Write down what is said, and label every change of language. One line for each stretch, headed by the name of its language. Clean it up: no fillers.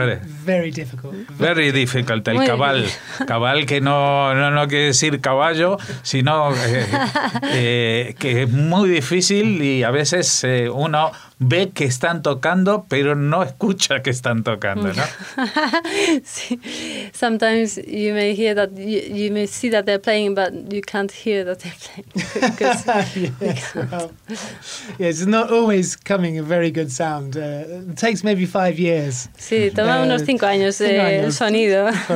English: Very, very difficult. Very difficult, el cabal.
Spanish: Cabal que no quiere decir caballo, sino que es muy difícil y a veces uno ve que están tocando, pero no escucha que están tocando, ¿no? Sí.
English: Sometimes you may hear that you may see that they're playing, but you can't hear that they're playing. Yes, well, Yes, it's not always coming a very good sound. It takes maybe 5 years.
Spanish: Sí, toma unos 5 años el sonido.